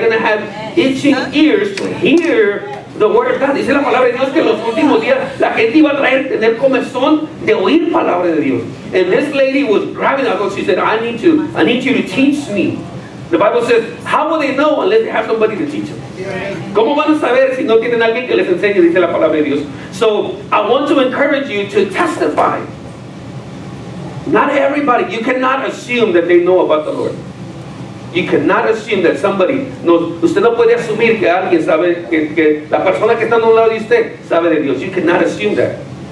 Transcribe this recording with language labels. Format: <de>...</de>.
<en>They're going to have itching ears to hear the word of God.</en> <es>Dice la palabra de Dios que en los últimos días la gente iba a traer, tener comezón de oír palabra de Dios.</es> <en>And this lady was grabbing that book. She said, I need you to teach me. The Bible says, how will they know unless they have somebody to teach them?</en> <es>¿Cómo van a saber si no tienen alguien que les enseñe? Dice la palabra de Dios.</es> <en>So I want to encourage you to testify. Not everybody. You cannot assume that they know about the Lord. You cannot assume that somebody knows.</en> <es>Usted no puede asumir que alguien sabe, que la persona que está a un lado de usted sabe de Dios.</es> <en>You cannot assume that.</en>